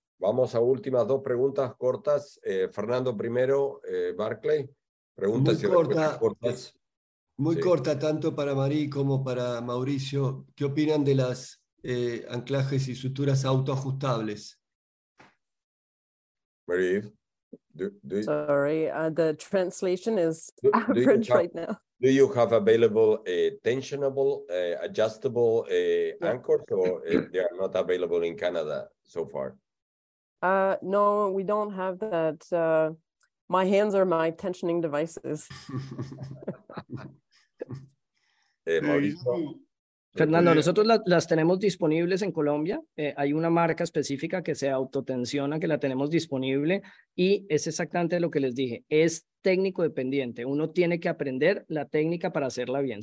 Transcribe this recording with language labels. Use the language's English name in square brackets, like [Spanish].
[Spanish] Vamos a últimas dos preguntas cortas. Fernando primero, Barclay. Preguntas muy cortas. Muy sí. Corta, tanto para Marí como para Mauricio. ¿Qué opinan de las anclajes y suturas autoajustables? Marí. [English] The translation is average right now. Do you have available tensionable, adjustable anchors, or they are not available in Canada so far? No, we don't have that. My hands are my tensioning devices. Mauricio. [Spanish] Fernando, nosotros las tenemos disponibles en Colombia. Hay una marca específica que se autotensiona, que la tenemos disponible, y es exactamente lo que les dije. Es técnico dependiente. Uno tiene que aprender la técnica para hacerla bien.